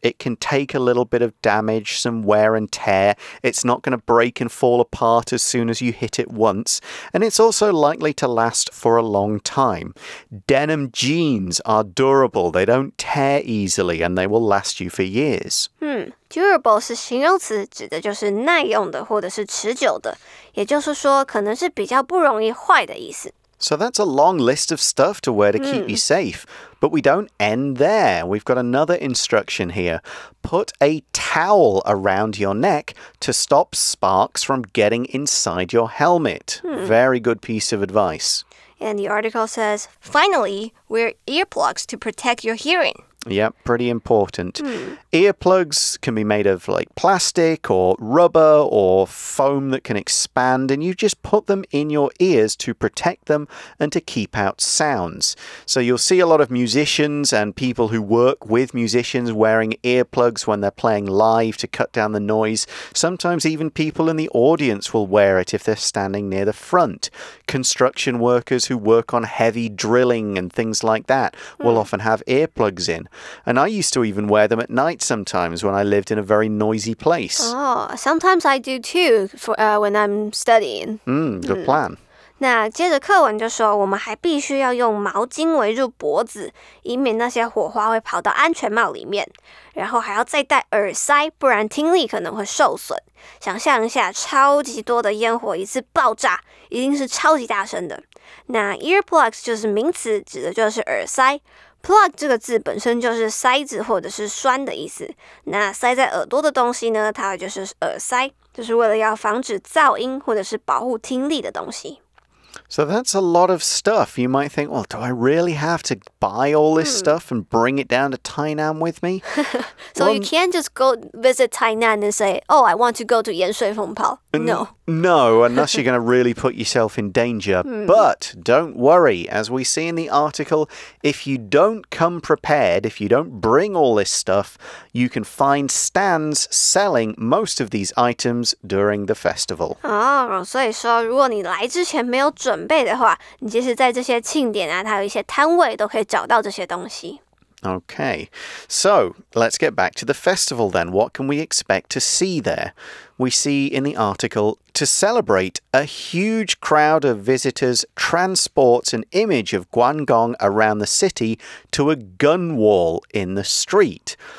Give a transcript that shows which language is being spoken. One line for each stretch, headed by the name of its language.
English: It can take a little bit of damage, some wear and tear. It's not going to break and fall apart as soon as you hit it once. And it's also likely to last for a long time. Denim jeans are durable. They don't tear easily and they will last you for years.
Chinese: Durable 是形容词，指的就是耐用的或者是持久的，也就是说可能是比较不容易坏的意思。
English: So that's a long list of stuff to wear to keep you safe. But we don't end there. We've got another instruction here. Put a towel around your neck to stop sparks from getting inside your helmet. Very good piece of advice. And the article says, finally, wear earplugs to protect your hearing. Yep, pretty important. Earplugs can be made of like plastic or rubber or foam that can expand, and you just put them in your ears to protect them and to keep out sounds. So you'll see a lot of musicians and people who work with musicians wearing earplugs when they're playing live to cut down the noise. Sometimes even people in the audience will wear it if they're standing near the front. Construction workers who work on heavy drilling and things like that will often have earplugs in. And I used to even wear them at night sometimes when I lived in a very noisy place. Oh, sometimes I do too for, when I'm studying. Good plan.
Chinese: 那接着课文就说，我们还必须要用毛巾围住脖子，以免那些火花会跑到安全帽里面。然后还要再戴耳塞，不然听力可能会受损。想象一下，超级多的烟火一次爆炸，一定是超级大声的。那 earplugs 就是名词，指的就是耳塞。Plug 这个字本身就是塞子或者是栓的意思，那塞在耳朵的东西呢，它就是耳塞，就是为了要防止噪音或者是保护听力的东西。
English: So that's a lot of stuff. You might think, well, do I really have to buy all this stuff and bring it down to Tainan with me? So well, you can't just go visit Tainan and say, oh, I want to go to 鹽水蜂炮. No. No, unless you're going to really put yourself in danger. But don't worry. As we see in the article, if you don't come prepared, if you don't bring all this stuff, you can find stands selling most of these items during the festival.
Chinese: Oh, 所以说如果你来之前没有准备的话，你即使在这些庆典啊，它有一些摊位都可以找到这些东西。
English: Okay, so let's get back to the festival then. What can we expect to see there? We see in the article, to celebrate, a huge crowd of visitors transports an image of Guangdong around the city to a gun wall in the street.